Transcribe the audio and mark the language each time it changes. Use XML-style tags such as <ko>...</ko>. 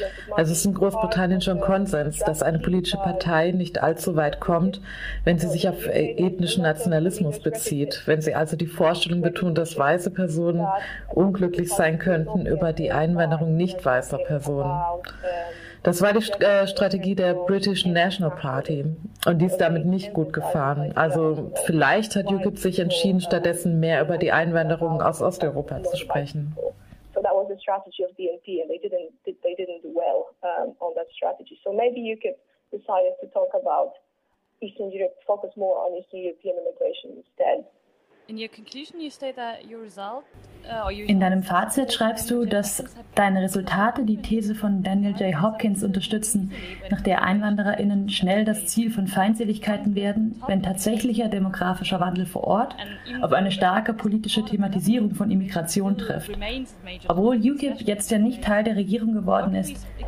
<de>Also es ist in Großbritannien schon Konsens, dass eine politische Partei nicht allzu weit kommt, wenn sie sich auf ethnischen Nationalismus bezieht, wenn sie also die Vorstellung betont, dass weiße Personen unglücklich sein könnten über die Einwanderung nicht weißer Personen. Das war die Strategie der British National Party und die ist damit nicht gut gefahren. Also vielleicht hat UKIP sich entschieden, stattdessen mehr über die Einwanderung aus Osteuropa zu sprechen.</de> <en>So that was the strategy of BNP and they didn't do well on that strategy. So maybe UKIP decided to talk about Eastern Europe, focus more on Eastern European immigration instead.</en> <de>In deinem Fazit schreibst du, dass deine Resultate die These von Daniel J. Hopkins unterstützen, nach der EinwandererInnen schnell das Ziel von Feindseligkeiten werden, wenn tatsächlicher demografischer Wandel vor Ort auf eine starke politische Thematisierung von Immigration trifft. Obwohl UKIP jetzt ja nicht Teil der Regierung geworden ist,</de>